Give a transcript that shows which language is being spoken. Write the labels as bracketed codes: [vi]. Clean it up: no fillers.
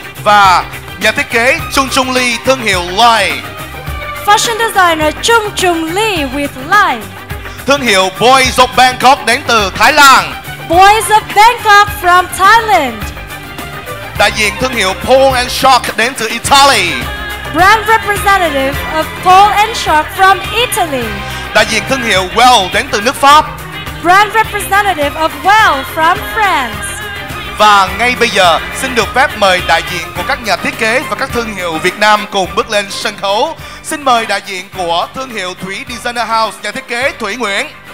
[vi] Và nhà thiết kế Chung Chung Lee thương hiệu Lai. [en] Fashion designer Chung Chung Lee with Lai. [vi] Thương hiệu Boys of Bangkok đến từ Thái Lan. [en] Boys of Bangkok from Thailand. [vi] Đại diện thương hiệu Paul and Shock đến từ Italy. [en] Brand representative of Paul and Shock from Italy. [vi] Đại diện thương hiệu Well đến từ nước Pháp. [en] Brand representative of Well from France. [vi] Và ngay bây giờ xin được phép mời đại diện của các nhà thiết kế và các thương hiệu Việt Nam cùng bước lên sân khấu. Xin mời đại diện của thương hiệu Thủy Designer House, nhà thiết kế Thủy Nguyễn.